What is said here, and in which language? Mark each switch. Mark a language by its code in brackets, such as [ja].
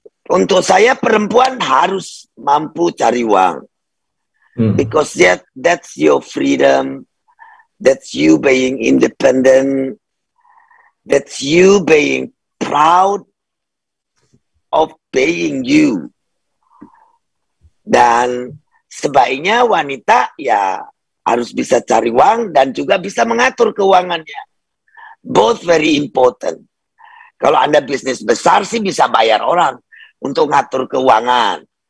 [id] Untuk saya, perempuan harus mampu cari uang. [en] Because that's your freedom, that's you being independent, that's you being proud of being you. [id] Dan sebaiknya wanita ya harus bisa cari uang dan juga bisa mengatur keuangannya. [en] Both very important. [id] Kalau Anda bisnis besar sih bisa bayar orang untuk ngatur keuangan.